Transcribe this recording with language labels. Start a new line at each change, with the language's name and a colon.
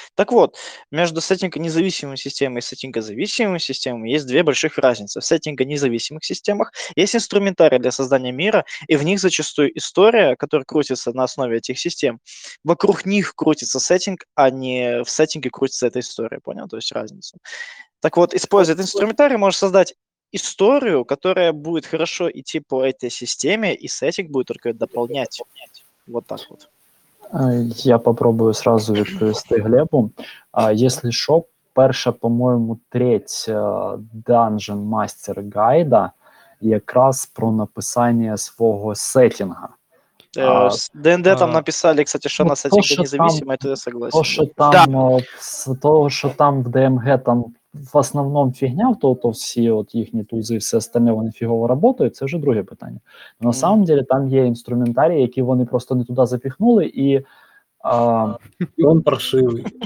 Russian: Так вот, между сеттинга независимой системой и сеттинга зависимой системой есть две больших разницы. В сеттинга независимых системах есть инструментарий для создания мира, и в них зачастую история, которая крутится на основе этих систем. Вокруг них крутится сеттинг, а не в сеттинге крутится эта история, понял? То есть разница. Так вот, используя этот инструментарий, можешь создать историю, которая будет хорошо идти по этой системе, и сеттинг будет только дополнять. Вот так вот. Я попробую сразу
Ukrainian: відповісти
Russian: Глебу. Если что, перша, по-моему, треть Dungeon Master гайда
Ukrainian: якраз
Russian: про написание свого сеттинга. ДНД там написали, кстати, что на сеттинге независимо, это я согласен. То, что там,
Ukrainian: там в ДМГ там в основному фігня, то всі от їхні тузи і все остальне, вони фігово працюють, це вже друге питання.
Russian: На самом деле
Ukrainian: там є інструментарій, які вони просто не туди запіхнули, і він паршивий.